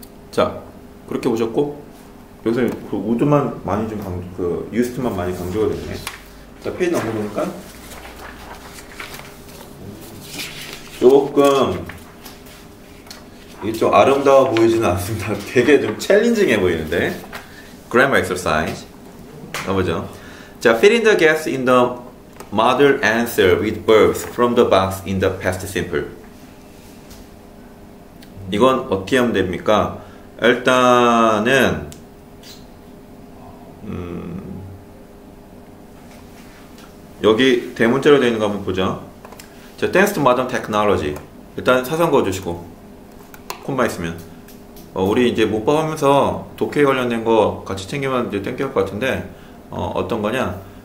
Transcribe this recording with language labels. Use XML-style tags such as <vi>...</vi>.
<ko>자, 그렇게 보셨고, 여기서 그 우드만 많이 좀 강조, 그 유스트만 많이 강조가 됐네. 자, 페이지 넘어보니까 조금 이게 좀 아름다워 보이지는 않습니다. 되게 좀 챌린징해 보이는데.</ko> <en>Grammar exercise.</en> <ko>가보죠.</ko> <en>자, fill in the gaps in the model answer with verbs from the box in the past simple.</en> <ko>이건 어떻게 하면 됩니까? 일단은 여기 대문자로 되어 있는 거 한번 보죠.</ko> <en>자, thanks to modern technology.</en> <ko>일단 사선 그어주시고 콤마 있으면 우리 이제 문법하면서 독해 관련된 거 같이 챙기면 이제 땡겨 할것 같은데 어떤 거냐?</ko>